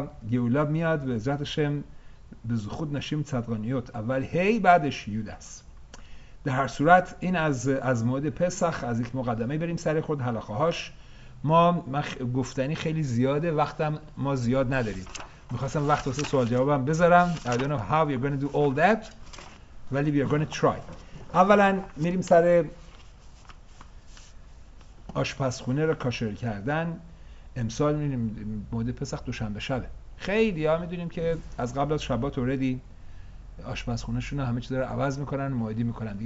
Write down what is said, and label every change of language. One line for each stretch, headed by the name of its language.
Persian: گئولا میاد به عزتشم به خود نشیم صدقانیوت، اول هی بعدش یودس. در هر صورت این از مورد پسخ، از یک مقدمه بریم سر خود هلاخه هاش. گفتنی خیلی زیاده، وقتم ما زیاد نداریم. میخواستم وقت واسه سوال جوابم بذارم.
English: I don't know how you're gonna do all that. ولی we are gonna try.
Persian: اولا میریم سر آشپزخونه را کاشر کردن. امسال میریم مورد پسخ دوشنبه شبه. خیلی ها میدونیم که از قبل از شبات اوردی آشپزخونه شون همه چیز داره عوض میکنن، موعدی میکنن.